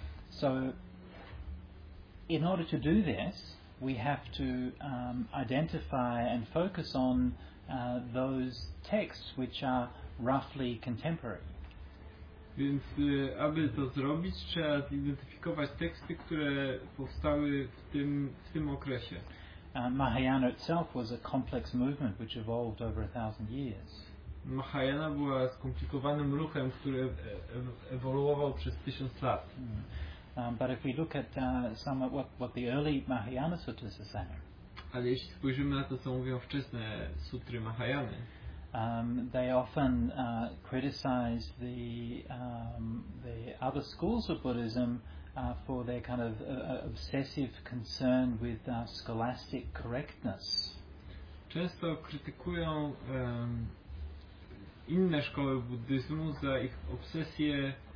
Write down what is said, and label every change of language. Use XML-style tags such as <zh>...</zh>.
<en>So in order to do this, we have to identify and focus on those texts which are roughly contemporary.</en> <pl>Więc aby to zrobić, trzeba zidentyfikować teksty, które powstały w tym okresie.</pl> <en>Mahayana itself was a complex movement which evolved over 1000 years.</en> <pl>Mahayana była skomplikowanym ruchem, który ewoluował przez 1000 lat.</pl> <en>But if we look at some of what the early Mahayana suttas are saying.</en> <pl>Ale jeśli spojrzymy na to, co mówią wczesne sutry Mahayany,</pl> <en>They often criticize the other schools of Buddhism for their kind of obsessive concern with scholastic correctness.</en> <pl>Często krytykują inne szkoły buddyzmu za ich obsesję</pl>